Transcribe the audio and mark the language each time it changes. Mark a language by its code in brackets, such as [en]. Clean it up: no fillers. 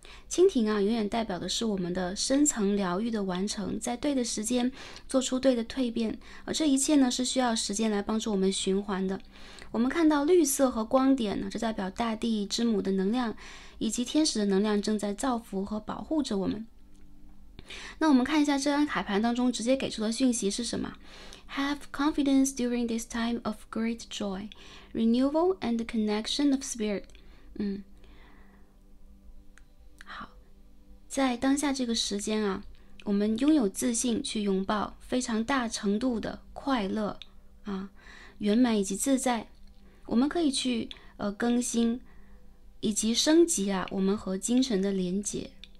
[zh] 蜻蜓啊，永远代表的是我们的深层疗愈的完成，在对的时间做出对的蜕变，而这一切呢是需要时间来帮助我们循环的。我们看到绿色和光点呢，这代表大地之母的能量以及天使的能量正在造福和保护着我们。那我们看一下这张卡牌当中直接给出的讯息是什么。 [en] Have confidence during this time of great joy, renewal and the connection of spirit. [zh] 在当下这个时间啊，我们拥有自信去拥抱非常大程度的快乐啊，圆满以及自在。我们可以去更新以及升级啊我们和精神的连结。